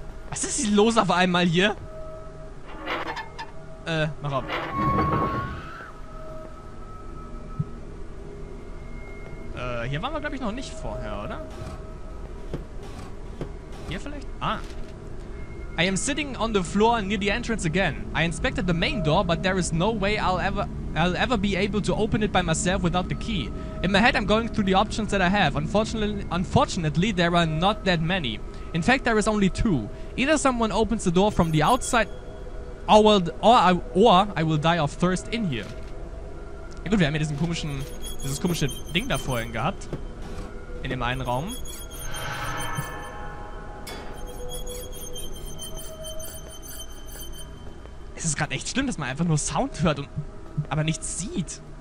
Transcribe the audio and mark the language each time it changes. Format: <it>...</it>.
<de>Was ist hier los auf einmal hier? Mach auf. Hier waren wir, glaube ich, noch nicht vorher, oder? Hier vielleicht? Ah.</de> <en>I am sitting on the floor near the entrance again. I inspected the main door, but there is no way I'll ever be able to open it by myself without the key. In my head, I'm going through the options that I have. Unfortunately, there are not that many. In fact, there is only two. Either someone opens the door from the outside, or I will die of thirst in here.</en> <de>Ja gut, wir haben ja dieses komische Ding da vorhin gehabt. In dem einen Raum. Es ist gerade echt schlimm, dass man einfach nur Sound hört und aber nichts sieht.</de>